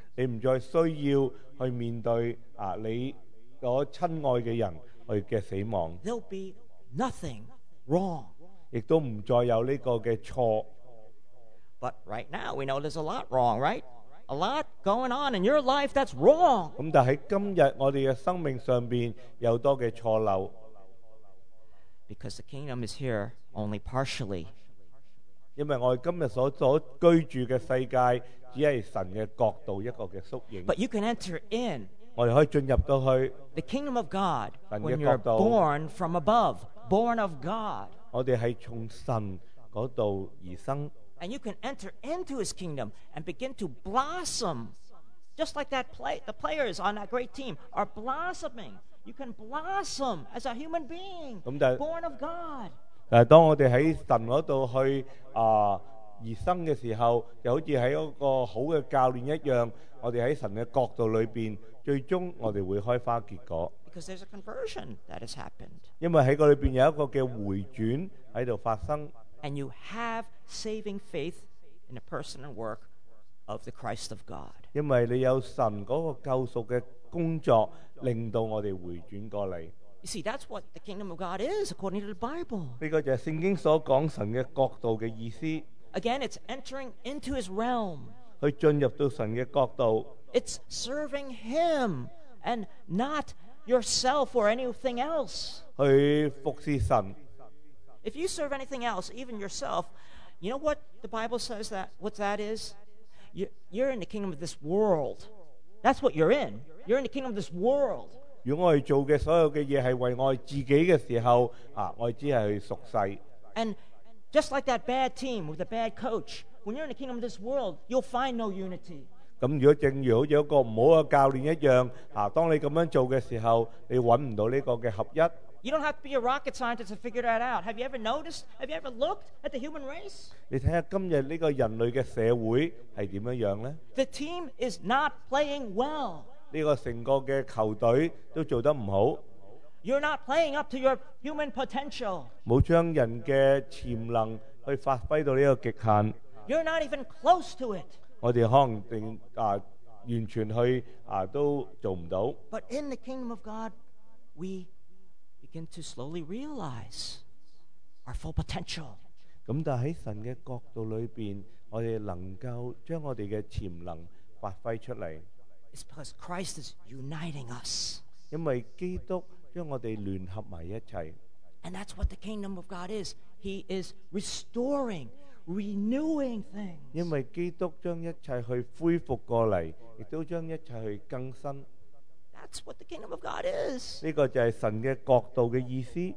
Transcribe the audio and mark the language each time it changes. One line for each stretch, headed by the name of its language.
Cantonese: 你唔再需要去面对你嗰亲爱嘅人去嘅死亡。
English: There'll be nothing wrong.
Cantonese: 亦都唔再有呢个嘅错。
English: But right now we know there's a lot wrong, right? A lot going on in your life that's wrong.
Cantonese: 咁但喺今日我哋嘅生命上边有多嘅错漏。
English: Because the kingdom is here only partially.
Cantonese: 因为我哋今日所居住嘅世界只系神嘅国度一个嘅缩影。
English: But you can enter in.
Cantonese: 我哋可以进入到去。
English: The kingdom of God when you're born from above, born of God.
Cantonese: 我哋系从神嗰度而生。
English: And you can enter into His kingdom and begin to blossom, just like that play. The players on that great team are blossoming. You can blossom as a human being, born of God.
Cantonese: 但系当我哋喺神嗰度去而生嘅时候，就好似喺一个好嘅教练一样，我哋喺神嘅国度里边，最终我哋会开花结果。
English: Because there's a conversion that has happened.
Cantonese: 因为喺个里边有一个嘅回转喺度发生。
English: And you have saving faith in the person and work of the Christ of God.
Cantonese: 因为你有神嗰个救赎嘅工作，令到我哋回转过嚟。
English: You see, that's what the kingdom of God is according to the Bible.
Cantonese: 呢个就系圣经所讲神嘅国度嘅意思。
English: Again, it's entering into His realm.
Cantonese: 去进入到神嘅国度。
English: It's serving Him and not yourself or anything else.
Cantonese: 去服侍神。
English: If you serve anything else, even yourself, you know what the Bible says that what that is? You're in the kingdom of this world. That's what you're in. You're in the kingdom of this world.
Cantonese: 如果我哋做嘅所有嘅嘢系为我哋自己嘅时候，我哋只系去属世。
English: And just like that bad team with a bad coach, when you're in the kingdom of this world, you'll find no unity.
Cantonese: 咁如果正如好似一个唔好嘅教练一样，当你咁样做嘅时候，你揾唔到呢个嘅合一。
English: You don't have to be a rocket scientist to figure that out. Have you ever noticed? Have you ever looked at the human race?
Cantonese: 你睇下今日呢个人类嘅社会系点样样咧
English: ？The team is not playing well.
Cantonese: 呢个成个嘅球队都做得唔好。
English: You're not playing up to your human potential.
Cantonese: 冇将人嘅潜能去发挥到呢个极限。
English: You're not even close to it.
Cantonese: 我哋可能定完全去都做唔到。
English: But in the kingdom of God, we begin to slowly realize our full potential.
Cantonese: 咁但喺神嘅角度里边，我哋能够将我哋嘅潜能發揮出嚟。
English: It's because Christ is uniting us.
Cantonese: 因為基督將我哋聯合埋一齊。
English: And that's what the kingdom of God is. He is restoring, renewing things.
Cantonese: 因為基督將一切去恢復過嚟，亦都將一切去更新。
English: That's what the kingdom of God is.
Cantonese: 呢個就係神嘅國度嘅意思。